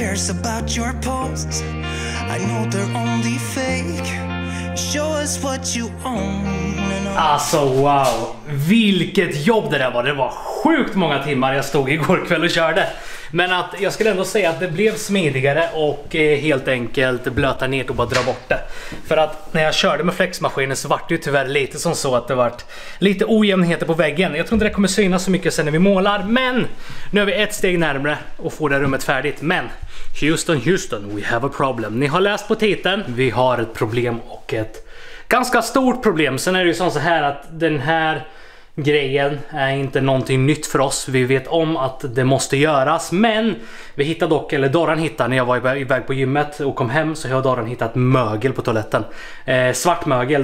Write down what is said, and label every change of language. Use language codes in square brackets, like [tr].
[en] About your posts, I know they're only fake. Show us what you own. [sv] Alltså wow, vilket jobb det där var. Det var sjukt många timmar jag stod igår kväll och körde. Men att jag skulle ändå säga att det blev smidigare och helt enkelt blöta ner och bara dra bort det. För att när jag körde med flexmaskinen så var det ju tyvärr lite som så att det var lite ojämnheter på väggen. Jag tror inte det kommer synas så mycket sen när vi målar, men nu är vi ett steg närmare och får det rummet färdigt. [en] Men Houston, Houston, we have a problem. [sv] Ni har läst på titeln, vi har ett problem och ett ganska stort problem. Sen är det ju så här att den här grejen är inte någonting nytt för oss. Vi vet om att det måste göras, men vi hittade dock, eller Dorran hittade, när jag var iväg på gymmet och kom hem, så har Dorran hittat mögel på toaletten. Svart mögel.